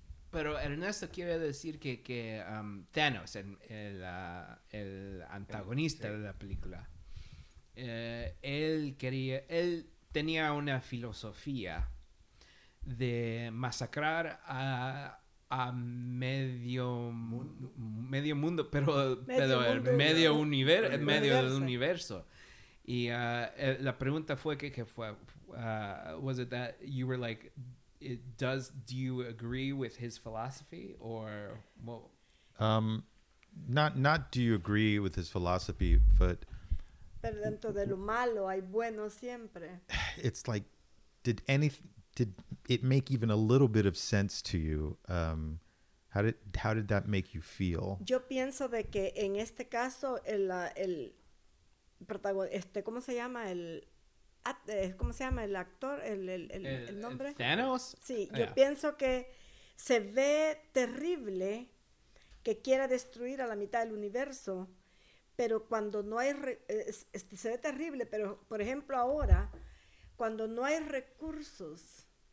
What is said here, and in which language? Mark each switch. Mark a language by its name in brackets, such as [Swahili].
[Spanish] Pero Ernesto quiere decir que Thanos, el antagonista, sí, de la película, él tenía una filosofía de masacrar a medio mundo, pero universo. Y la pregunta fue que fue, [English] was it that you were like, it does, do you agree with his philosophy or what? Not do you agree with his philosophy, but. [Spanish] Pero dentro de lo malo hay bueno siempre. [English] It's like, did it make even a little bit of sense to you? How did that make you feel? [Spanish] Yo pienso de que en este caso el protagonista, ¿cómo se llama? El actor, el nombre. Thanos. Sí, yeah. Yo pienso que se ve terrible que quiera destruir a la mitad del universo, pero cuando no hay se ve terrible, pero por ejemplo ahora cuando no hay recursos.